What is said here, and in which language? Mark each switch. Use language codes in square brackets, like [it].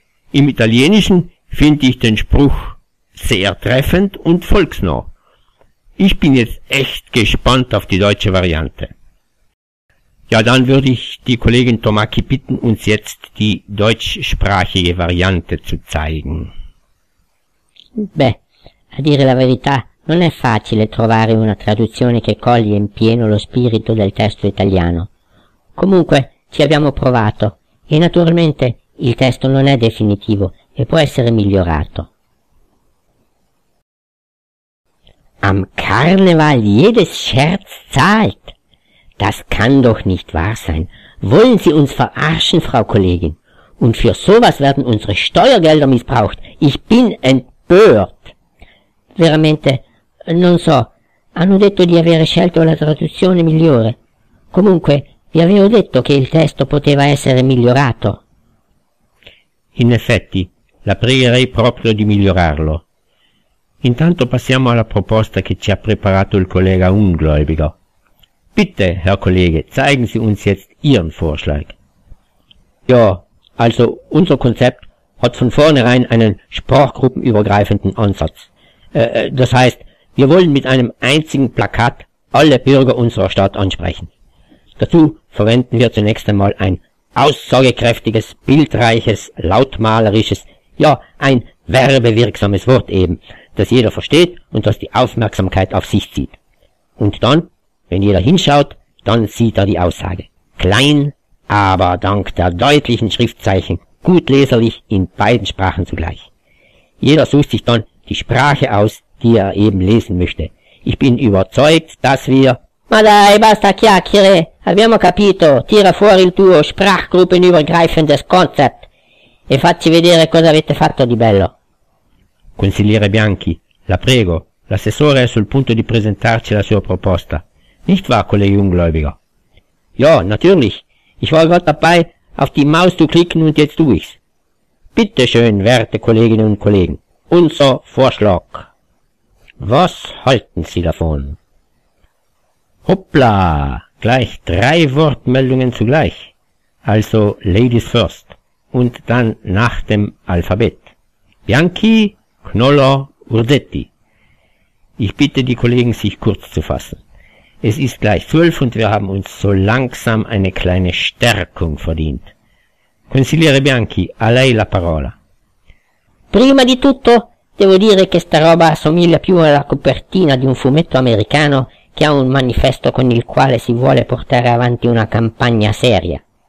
[de] Im Italienischen finde ich den Spruch sehr treffend und volksnah. Ich bin jetzt echt gespannt auf die deutsche Variante. Ja, dann würde ich die Kollegin Tomacki bitten, uns jetzt die deutschsprachige Variante zu zeigen. [it] Beh, a dire la verità, non è facile trovare una traduzione che coglie in pieno lo spirito del testo italiano. Comunque, ci abbiamo provato e naturalmente il testo non è definitivo e può essere migliorato. [de] Am Karneval jedes Scherz zahlt. Das kann doch nicht wahr sein. Wollen Sie uns verarschen, Frau Kollegin? Und für sowas werden unsere Steuergelder missbraucht. Ich bin empört. [it] Veramente, non so. Hanno detto di aver scelto la traduzione migliore. Comunque, vi avevo detto che il testo poteva essere migliorato. In effetti, la pregherei proprio di migliorarlo. Intanto passiamo alla proposta che ci ha preparato il collega Ungläubiger. [de] Bitte, Herr Kollege, zeigen Sie uns jetzt Ihren Vorschlag. Ja, also unser Konzept hat von vornherein einen sprachgruppenübergreifenden Ansatz. Das heißt, wir wollen mit einem einzigen Plakat alle Bürger unserer Stadt ansprechen. Dazu verwenden wir zunächst einmal ein aussagekräftiges, bildreiches, lautmalerisches, ja, ein werbewirksames Wort eben, das jeder versteht und das die Aufmerksamkeit auf sich zieht. Und dann, wenn jeder hinschaut, dann sieht er die Aussage. Klein, aber dank der deutlichen Schriftzeichen gut leserlich in beiden Sprachen zugleich. Jeder sucht sich dann die Sprache aus, die er eben lesen möchte. Ich bin überzeugt, dass wir... [it] Ma dai, basta chiacchiere! Abbiamo capito! Tira fuori il tuo sprachgruppenübergreifendes Konzept e facci vedere cosa avete fatto di bello. Consigliere Bianchi, la prego, l'assessore è sul punto di presentarci la sua proposta. [de] Nicht wahr, Kollege Ungläubiger? Ja, natürlich. Ich war gerade dabei, auf die Maus zu klicken und jetzt tue ich's. Bitte schön, werte Kolleginnen und Kollegen, unser Vorschlag. Was halten Sie davon? Hoppla, gleich drei Wortmeldungen zugleich. Also Ladies first und dann nach dem Alphabet. Bianchi, Knoller, Urdetti. Ich bitte die Kollegen, sich kurz zu fassen. Es ist gleich 12 und wir haben uns so langsam eine kleine Stärkung verdient. [it] Consigliere Bianchi, a lei la parola. Prima di tutto, devo dire che sta roba assomiglia più alla copertina di un fumetto americano che a un manifesto con il quale si vuole portare avanti una campagna seria.